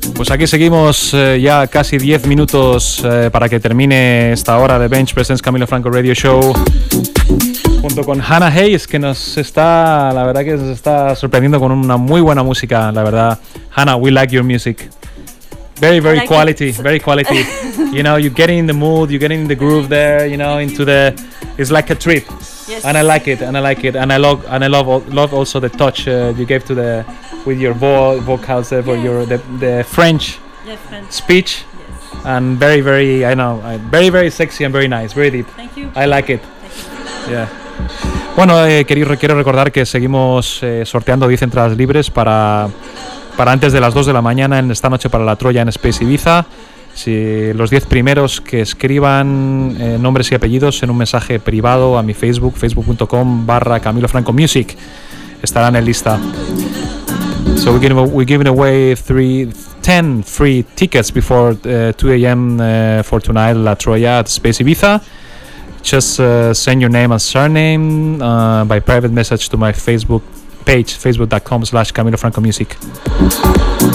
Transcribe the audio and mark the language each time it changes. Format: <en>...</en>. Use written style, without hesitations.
<es>aquí seguimos ya casi 10 minutos para que termine esta hora de Bench Presents Camilo Franco Radio Show junto con Hanna Haïs, que nos está, la verdad que nos está sorprendiendo con una muy buena música, la verdad.</es> <en>Hanna, we like your music. Very, very like quality, very quality. You know, you're getting in the mood, you're getting in the groove there, you know, into the, it's like a trip. Yes. And I like it, and I like it, and I love also the touch you gave to the, with your vocals, for yes. your, the French speech. Yes. And very, very, I know, very, very sexy and very nice, very deep. Thank you. I like it. Yeah.</en> <es>Bueno, quiero recordar que seguimos sorteando 10 entradas libres para antes de las 2 de la mañana en esta noche para la Troya en Space Ibiza. Si los 10 primeros que escriban nombres y apellidos en un mensaje privado a mi Facebook, facebook.com/CamiloFrancoMusic, estarán en la lista.</es> <en>So we're giving away 10 free tickets before 2 a.m. For tonight, La Troya at Space Ibiza. Just send your name and surname by private message to my Facebook page, facebook.com/CamiloFrancoMusic.</en>